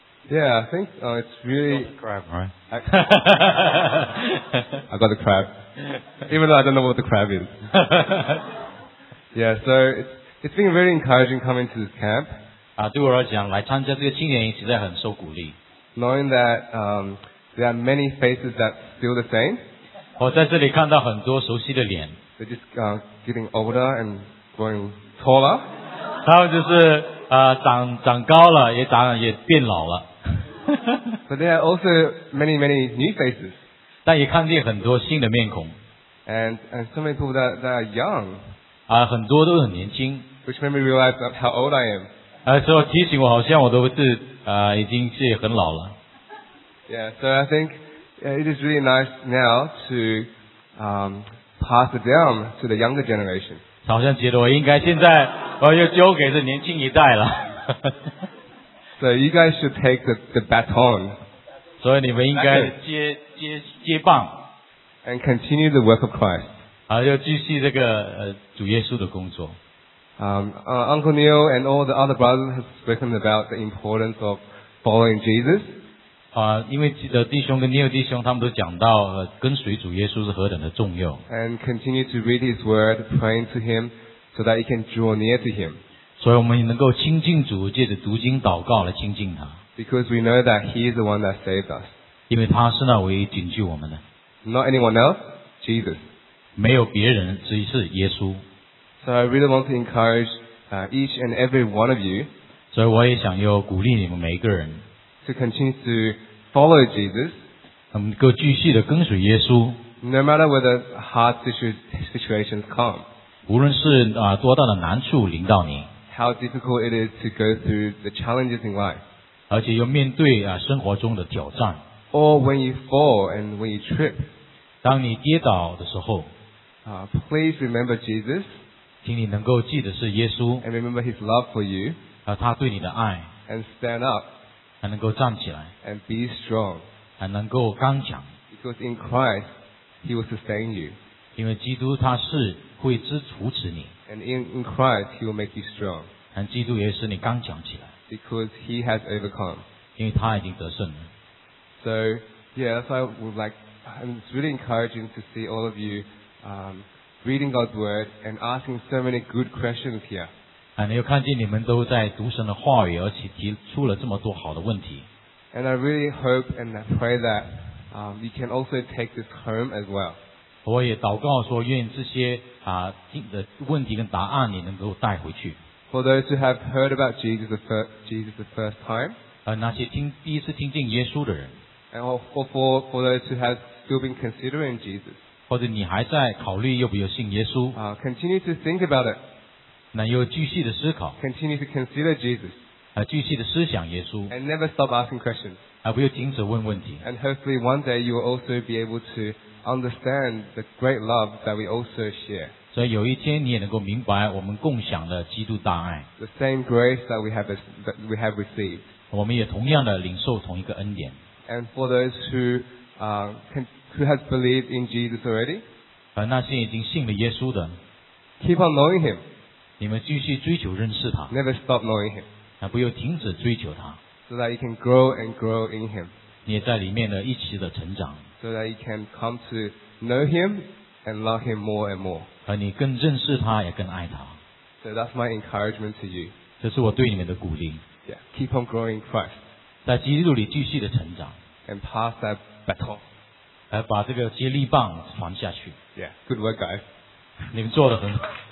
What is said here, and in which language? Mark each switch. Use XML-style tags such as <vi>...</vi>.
<en>Yeah, I think it's really... You got the crab, right? I got the crab. Even though I don't know what the crab is. Yeah, so it's been really encouraging coming to this camp.</en> <zh>对我而讲来参加这个青年营实在很受鼓励。</zh> <en>Knowing that there are many faces that are still the same.</en> <zh>我在这里看到很多熟悉的脸。</zh> <en>They're just getting older and growing taller.</en> <zh>他们就是长高了，也变老了。</zh> <en>But there are also many, many new faces.</en> <zh>但也看见很多新的面孔。</zh> <en>And so many people that are young.</en> <zh>很多都很年轻。</zh> <en>Which made me realize how old I am.</en> <zh>所以提醒我，好像我都是已经是很老了。</zh> <en>Yeah, so I think it is really nice now to pass it down to the younger generation.</en> <zh>好像觉得我应该现在我要交给这年轻一代了。</zh> <en>So you guys should take the baton.</en> <zh>所以你们应该接棒。</zh> <en>And continue the work of Christ.</en> <zh>就继续这个主耶稣的工作。</zh> <en>Uncle Neil and all the other brothers have spoken about the importance of following Jesus.</en> <zh>因为弟兄跟尼尔弟兄他们都讲到跟随主耶稣是何等的重要。</zh> <en>And continue to read his word, praying to him so that he can draw near to him.</en> <zh>所以我们能够亲近主，借着读经祷告来亲近他。</zh> <en>Because we know that he is the one that saved us.</en> <zh>因为他是那唯一拯救我们的。</zh> <en>Not anyone else, Jesus.</en> <zh>没有别人，只是耶稣。</zh> <en>So I really want to encourage each and every one of you.</en> <zh>所以我也想要鼓励你们每一个人。</zh> <en>To continue to follow Jesus.</en> <zh>能够继续的跟随耶稣。</zh> <en>No matter whether hard situations come.</en> <zh>无论是多大的难处临到你。</zh> <en>How difficult it is to go through the challenges in life.</en> <zh>而且又面对生活中的挑战。</zh> <en>Or when you fall and when you trip.</en> <zh>当你跌倒的时候。</zh> <en>Please remember Jesus.</en> <zh>请你能够记得是耶稣。</zh> <en>And remember his love for you.</en> <zh>他对你的爱。</zh> <en>And stand up.</en> <zh>还能够站起来,</zh> <en>and be strong.</en> <zh>还能够刚强,</zh> <en>because in Christ, He will sustain you.</en> <zh>因为基督他是会支持你,</zh> <en>and in Christ, He will make you strong. Because He has overcome.</en> <zh>因为他已经得胜了,</zh> <en>so, yeah, so I would like, and it's really encouraging to see all of you reading God's Word and asking so many good questions here.</en> <zh>又看见你们都在读神的话语，而且提出了这么多好的问题。</zh> <en>And I really hope and I pray that you can also take this home as well.</en> <zh>我也祷告说，愿这些问题跟答案你能够带回去。</zh> <en>For those who have heard about Jesus the first time,</en> <zh>那些第一次听见耶稣的人。</zh> <en>And for those who have still been considering Jesus,</en> <zh>或者你还在考虑要不要信耶稣。</zh> <en>Continue to think about it.</en> <zh>那又继续的思考,</zh> <en>continue to consider Jesus,</en> <zh>继续的思想耶稣,</zh> <en>and never stop asking questions,</en> <zh>不要停止问问题,</zh> <en>and hopefully one day you will also be able to understand the great love that we also share.</en> <zh>所以有一天你也能够明白我们共享的基督大爱,</zh> <en>the same grace that we have received.</en> <zh>我们也同样的领受同一个恩典。</zh> <en>And for those who have believed in Jesus already,</en> <zh>那些已经信了耶稣的,</zh> <en>keep on knowing him.</en> <zh>你们继续追求认识他,</zh> <en>never stop knowing him.</en> <zh>不要停止追求他,</zh> <en>so that you can grow and grow in him.</en> <zh>你也在里面的一起的成长,</zh> <en>so that you can come to know him and love him more and more.</en> <zh>而你更认识他也更爱他。</zh> <en>So that's my encouragement to you.</en> <zh>这是我对你们的鼓励。</zh> <en>Yeah, keep on growing in Christ.</en> <zh>在基督里继续的成长,</zh> <en>and pass that baton.</en> <zh>把这个接力棒传下去。</zh> <en>Yeah, good work, guys.</en> <zh>你们做得很好。</zh>